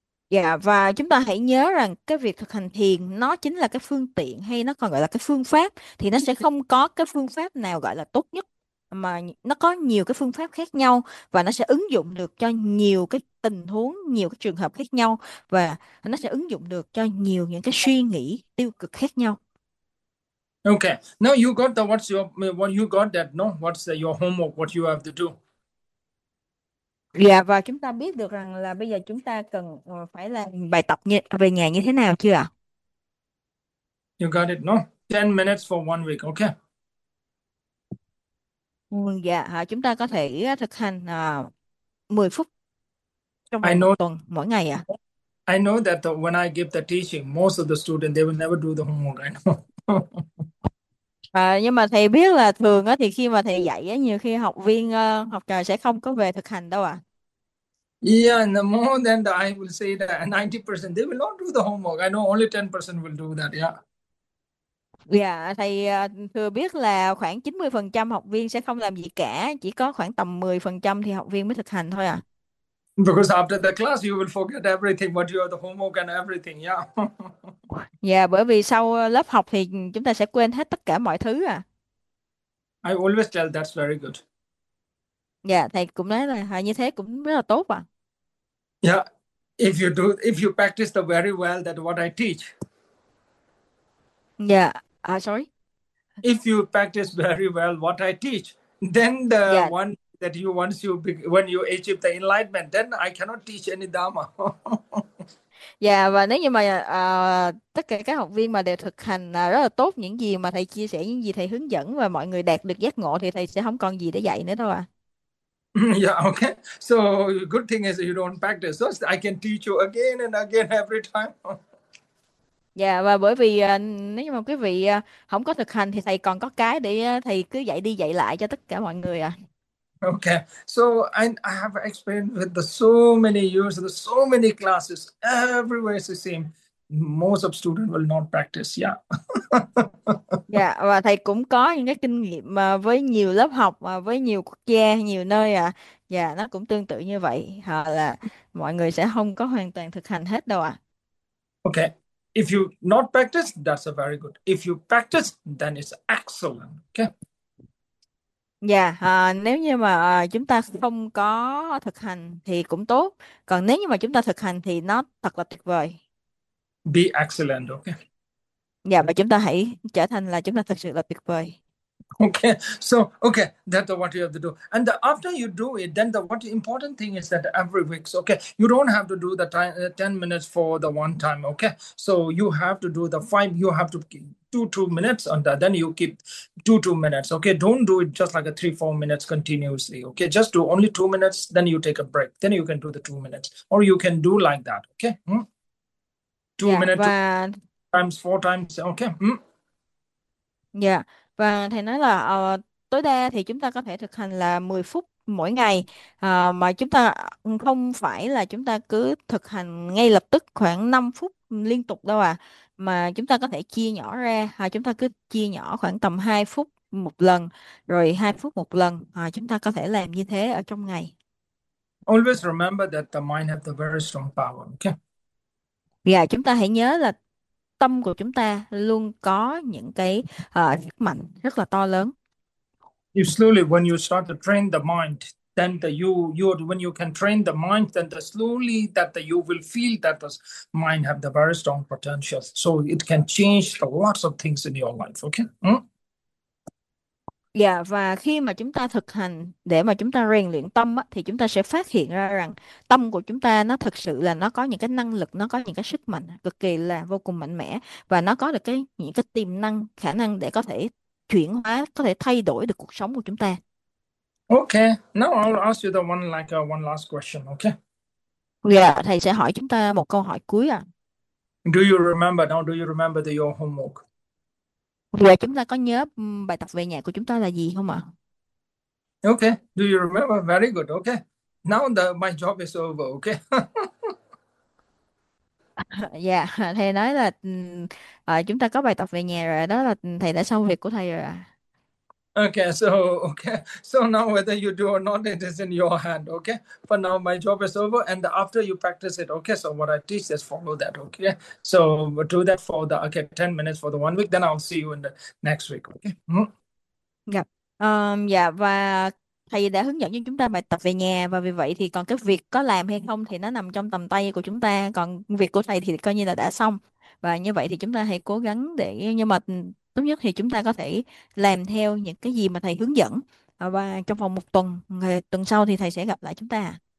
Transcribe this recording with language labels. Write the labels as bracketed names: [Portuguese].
[Vietnamese] Dạ, và chúng ta hãy nhớ rằng cái việc thực hành thiền nó chính là cái phương tiện, hay nó còn gọi là cái phương pháp, thì nó sẽ không có cái phương pháp nào gọi là tốt nhất, mà nó có nhiều cái phương pháp khác nhau, và nó sẽ ứng dụng được cho nhiều cái tình huống, nhiều cái trường hợp khác nhau, và nó sẽ ứng dụng được cho nhiều những cái suy nghĩ tiêu cực khác nhau. [English] Okay. Now you got the what's your what you got that no? What's the, your homework? What you have to do? [Vietnamese] Dạ, và chúng ta biết được rằng là bây giờ chúng ta cần phải làm bài tập về nhà như thế nào chưa ạ? [English] You got it, no? 10 minutes for 1 week. Okay. [Vietnamese] Dạ, chúng ta có thể thực hành 10 phút trong [English] I [Vietnamese] vòng một [English] know. [Vietnamese] tuần mỗi ngày ạ. [English] I know that when I give the teaching, most of the student they will never do the homework. I know. [Vietnamese] Nhưng mà thầy biết là thường á thì khi mà thầy dạy á, nhiều khi học viên học trò sẽ không có về thực hành đâu ạ. [English] Yeah, more than that, I will say that 90% they will not do the homework. I know only 10% will do that. Yeah. [Vietnamese] Dạ, thầy thừa biết là khoảng 90% học viên sẽ không làm gì cả, chỉ có khoảng tầm 10% thì học viên mới thực hành thôi ạ. [English] Because after the class, you will forget everything, but you have the homework and everything. Yeah. [Vietnamese] Dạ, bởi vì sau lớp học thì chúng ta sẽ quên hết tất cả mọi thứ à. [English] I always tell that's very good. [Vietnamese] Dạ, thầy cũng nói là như thế cũng rất là tốt à. [English] Yeah, if you practice the very well that what I teach. [Vietnamese] Dạ, à [English] sorry. If you practice very well what I teach, then the [Vietnamese] Dạ. [English] one that you once you be, when you achieve the enlightenment, then I cannot teach any Dharma. [Vietnamese] Dạ, và nếu như mà tất cả các học viên mà đều thực hành rất là tốt những gì mà thầy chia sẻ, những gì thầy hướng dẫn và mọi người đạt được giác ngộ thì thầy sẽ không còn gì để dạy nữa đâu ạ. À. [English] Okay. So good thing is you don't practice. So I can teach you again and again every time. [Vietnamese] Dạ, và bởi vì nếu như mà quý vị không có thực hành thì thầy còn có cái để thầy cứ dạy đi dạy lại cho tất cả mọi người ạ. À. [English] Okay, so I have experience with the so many years, the so many classes, everywhere is the same. Most of students will not practice. [Vietnamese] Dạ, và thầy cũng có những cái kinh nghiệm với nhiều lớp học, với nhiều quốc gia, nhiều nơi ạ. À. Dạ, nó cũng tương tự như vậy. Họ là mọi người sẽ không có hoàn toàn thực hành hết đâu ạ. À. [English] Okay, if you not practice, that's a very good. If you practice, then it's excellent. Okay. [Vietnamese] Dạ, nếu như mà chúng ta không có thực hành thì cũng tốt. Còn nếu như mà chúng ta thực hành thì nó thật là tuyệt vời. [English] Be excellent, okay. [Vietnamese] Dạ, và chúng ta hãy trở thành là chúng ta thật sự là tuyệt vời. [English] Okay, so okay, that's what you have to do. And after you do it, then the what important thing is that every week, so, okay, you don't have to do the time 10 minutes for the one time, okay. So you have to do the five. You have to keep 2 2 minutes on that. Then you keep 2 2 minutes, okay. Don't do it just like a 3 4 minutes continuously, okay. Just do only 2 minutes. Then you take a break. Then you can do the 2 minutes, or you can do like that, okay. Two [Vietnamese] Dạ, [English] minutes, two [Vietnamese] và [English] times, four times. Okay. [Vietnamese] dạ, và thầy nói là tối đa thì chúng ta có thể thực hành là 10 phút mỗi ngày, mà chúng ta không phải là chúng ta cứ thực hành ngay lập tức khoảng 5 phút liên tục đâu ạ, à, mà chúng ta có thể chia nhỏ ra, chúng ta cứ chia nhỏ khoảng tầm 2 phút một lần, rồi 2 phút một lần, chúng ta có thể làm như thế ở trong ngày. [English] Always remember that the mind have the very strong power. Okay. [Vietnamese] Dạ, chúng ta hãy nhớ là tâm của chúng ta luôn có những cái sức mạnh rất là to lớn. [English] You slowly when you start to train the mind, then the you when you can train the mind, then the slowly that the you will feel that the mind have the very strong potential, so it can change the lots of things in your life. Okay. [Vietnamese] Dạ, và khi mà chúng ta thực hành để mà chúng ta rèn luyện tâm á, thì chúng ta sẽ phát hiện ra rằng tâm của chúng ta nó thật sự là nó có những cái năng lực, nó có những cái sức mạnh cực kỳ là vô cùng mạnh mẽ, và nó có được cái những cái tiềm năng, khả năng để có thể chuyển hóa, có thể thay đổi được cuộc sống của chúng ta. [English] Okay, now I'll ask you the one like one last question, okay? [Vietnamese] Dạ, thầy sẽ hỏi chúng ta một câu hỏi cuối ạ. À. [English] Do you remember now? Do you remember the your homework? [Vietnamese] Vậy chúng ta có nhớ bài tập về nhà của chúng ta là gì không ạ? [English] Okay, do you remember? Very good. Okay. Now the my job is over, okay? À? [Vietnamese] Dạ, thầy nói là chúng ta có bài tập về nhà rồi, đó là thầy đã xong việc của thầy rồi ạ. À? [English] Okay, so now whether you do or not, it is in your hand. Okay, for now my job is over, and after you practice it, okay. So what I teach is follow that. Okay, so do that for the 10 minutes for the 1 week. Then I'll see you in the next week. Okay. [Vietnamese] Gặp dạ, và thầy đã hướng dẫn cho chúng ta bài tập về nhà, và vì vậy thì còn cái việc có làm hay không thì nó nằm trong tầm tay của chúng ta, còn việc của thầy thì coi như là đã xong, và như vậy thì chúng ta hãy cố gắng để, nhưng mà tốt nhất thì chúng ta có thể làm theo những cái gì mà thầy hướng dẫn, và trong vòng một tuần tuần sau thì thầy sẽ gặp lại chúng ta.